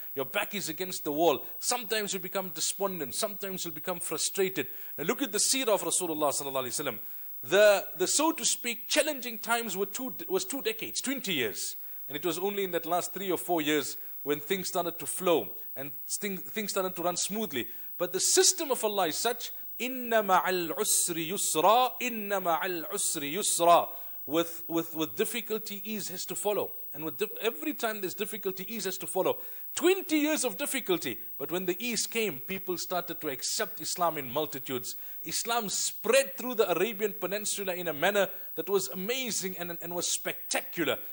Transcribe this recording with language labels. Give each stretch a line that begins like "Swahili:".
English: Your back is against the wall. Sometimes you become despondent. Sometimes you become frustrated. And look at the seerah of Rasulullah
Arabic: sallallahu alaihi wasallam.
English: The so to speak challenging times was two decades, 20 years. And it was only in that last 3 or 4 years when things started to flow and things started to run smoothly. But the system of Allah is such,
Arabic: إِنَّ مَعَ الْعُسْرِ يُسْرًا
English: إِنَّ مَعَ الْعُسْرِ يُسْرًا with difficulty ease has to follow. And with every time there's difficulty, ease has to follow. 20 years of difficulty. But when the ease came, people started to accept Islam in multitudes. Islam spread through the Arabian Peninsula in a manner that was amazing and was spectacular.